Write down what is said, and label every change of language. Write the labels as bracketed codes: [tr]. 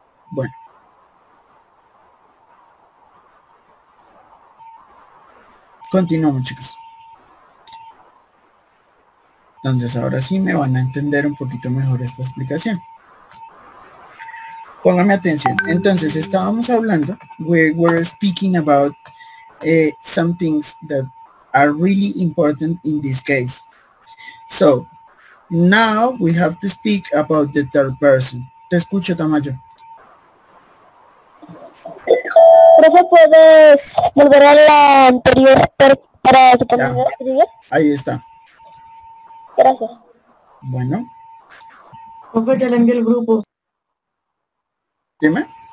[es] Bueno. Continuamos, chicos. Entonces, ahora sí me van a entender un poquito mejor esta explicación. Póngame atención. Entonces, estábamos hablando, [en] we were speaking about some things that are really important in this case. So, now we have to speak about the third person. [es] Te escucho, Tamayo. ¿Profe, puedes volver a la anterior para que termine escribir? Ahí está. Gracias. Bueno. Profe, ya le envié el grupo. Dime.